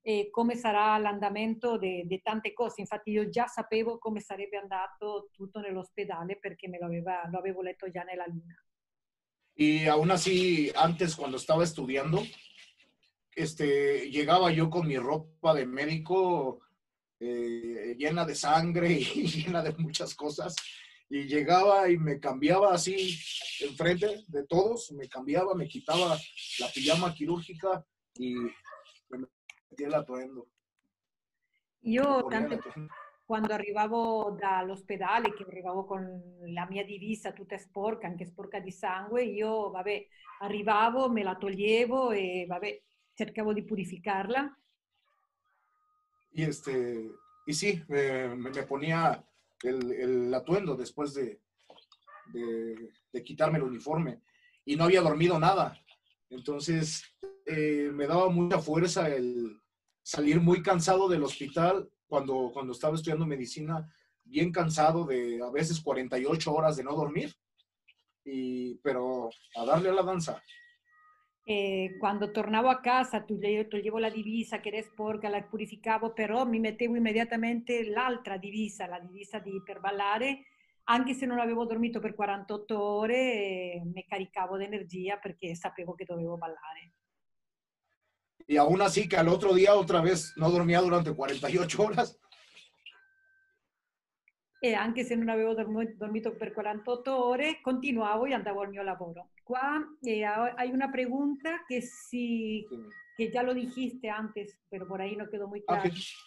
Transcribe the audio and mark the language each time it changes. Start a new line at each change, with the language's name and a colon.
Italian: come sarà l'andamento di tante cose. Infatti io già sapevo come sarebbe andato tutto nell'ospedale perché me lo avevo letto già nella luna.
Spanish: Y aún así, antes cuando estaba estudiando, llegaba yo con mi ropa de médico llena de sangre y llena de muchas cosas. Y llegaba y me cambiaba así enfrente de todos, me cambiaba, me quitaba la pijama quirúrgica y me metía el atuendo.
Italian: Yo también, cuando arrivavo dall'ospedale, che arrivavo con la mia divisa tutta sporca, anche sporca di sangue, io, vabbè, arrivavo, me la toglievo e, vabbè, cercavo di purificarla.
Spanish: Y y sí, me ponía el atuendo después de quitarme el uniforme y no había dormido nada. Entonces, me daba mucha fuerza el salir muy cansado del hospital cuando estaba estudiando medicina, bien cansado de a veces 48 horas de no dormir, pero a darle a la danza.
Italian: Quando tornavo a casa toglievo la divisa che era sporca, la purificavo, però mi mettevo immediatamente l'altra divisa, la divisa di per ballare, anche se non avevo dormito per 48 ore, mi caricavo d'energia perché sapevo che dovevo ballare.
Spanish: E aún así que al otro día otra vez no dormía durante 48 horas.
Italian: E anche se non avevo dormito per 48 ore, continuavo e andavo al mio lavoro.
Spanish: Qua hay una pregunta que si, que ya lo dijiste antes, pero por ahí no quedó muy claro. Okay.